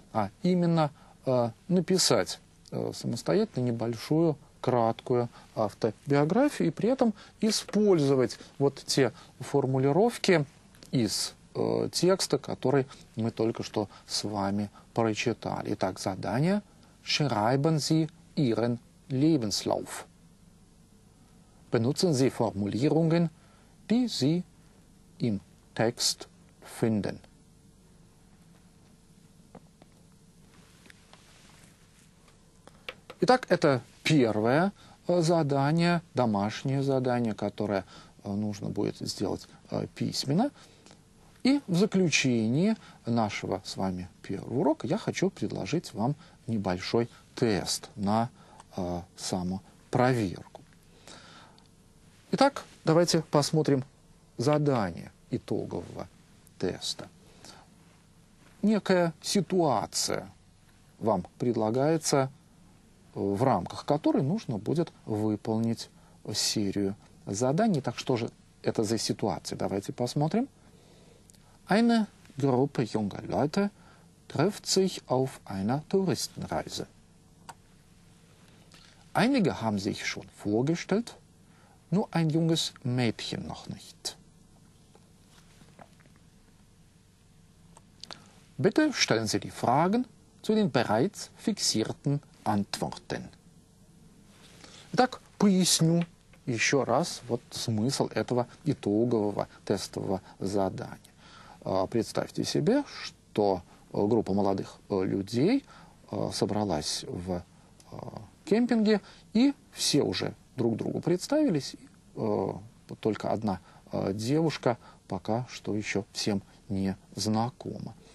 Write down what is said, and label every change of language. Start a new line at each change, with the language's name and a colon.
Russian: А именно написать самостоятельно небольшую краткую автобиографию и при этом использовать вот те формулировки из текста, который мы только что с вами прочитали. Итак, задание.
German: Schreiben Sie Ihren Lebenslauf. Benutzen Sie Formulierungen, die Sie im Text finden.
Russian: Итак, это первое задание, домашнее задание, которое нужно будет сделать письменно. И в заключении нашего с вами первого урока я хочу предложить вам небольшой тест на самопроверку. Итак, давайте посмотрим задание итогового теста. Некая ситуация вам предлагается, в рамках которой нужно будет выполнить серию заданий. Так что же это за ситуация? Давайте посмотрим.
German: Eine Gruppe junger Leute trifft sich auf einer Touristenreise. Einige haben sich schon vorgestellt, nur ein junges Mädchen noch nicht. Bitte stellen Sie die Fragen zu den bereits fixierten Antworten.
Russian: Итак, поясню еще раз вот смысл этого итогового тестового задания. Представьте себе, что группа молодых людей собралась в кемпинге, и все уже друг другу представились, только одна девушка пока что еще всем не знакома.